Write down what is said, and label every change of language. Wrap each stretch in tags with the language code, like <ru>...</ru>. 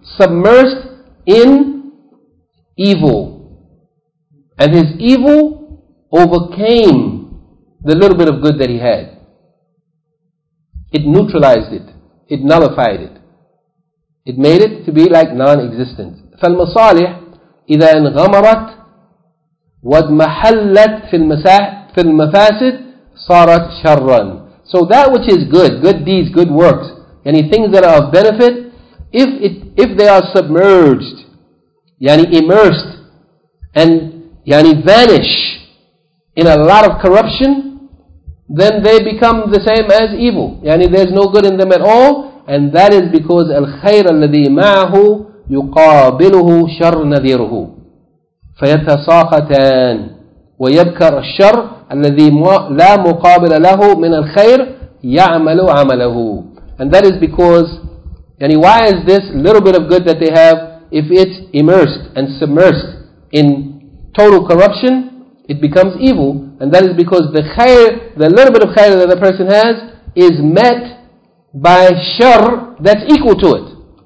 <en>Submersed in evil. And his evil overcame the little bit of good that he had. It neutralized it. It nullified it. It made it to be like non-existent.</en> <ar>فالمصالح إذا انغمرت وادمحلت في المفاسد صارت شرا.</ar> <en>So that which is good, good deeds, good works, any things that are of benefit, if they are submerged, yani immersed, and yani vanish in a lot of corruption, then they become the same as evil. Yani there's no good in them at all. And that is because</en> <ar>الخير الذي معه يقابله شر نذيره فيتساقطان ويبكر الشر الذي لا مقابل له من الخير يعمل عمله.</ar> <en>And that is because, yani why is this little bit of good that they have, if it's immersed and submersed in total corruption, it becomes evil. And that is because the khair, the little bit of khair that the person has, is met by shar that's equal to it.</en>